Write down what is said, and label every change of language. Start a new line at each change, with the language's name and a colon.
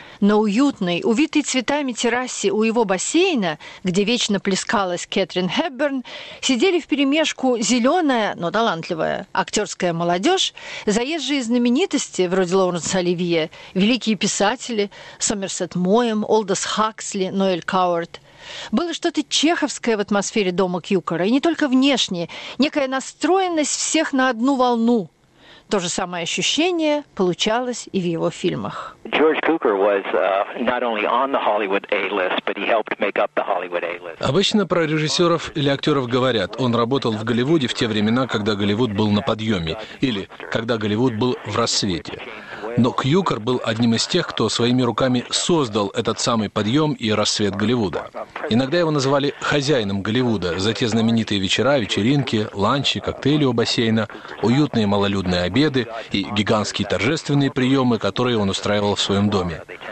Russian: На уютной, увитой цветами террасе у его бассейна, где вечно плескалась Кэтрин Хепберн, сидели вперемешку зеленая, но талантливая, актерская молодежь, заезжие знаменитости, вроде Лоуренса Оливье, великие писатели Сомерсет Моэм, Олдос Хаксли, Ноэль Коуэрт. Было что-то чеховское в атмосфере дома Кьюкора, и не только внешнее, некая настроенность всех на одну волну. То же самое ощущение получалось и в его фильмах.
English: Джордж Кьюкор was not only on the Hollywood A-list, but he helped make up the Hollywood A-list.
Russian: Обычно про режиссеров или актеров говорят, он работал в Голливуде в те времена, когда Голливуд был на подъеме, или когда Голливуд был в рассвете. Но Кьюкор был одним из тех, кто своими руками создал этот самый подъем и рассвет Голливуда. Иногда его называли хозяином Голливуда за те знаменитые вечера, вечеринки, ланчи, коктейли у бассейна, уютные малолюдные обеды и гигантские торжественные приемы, которые он устраивал в своем доме.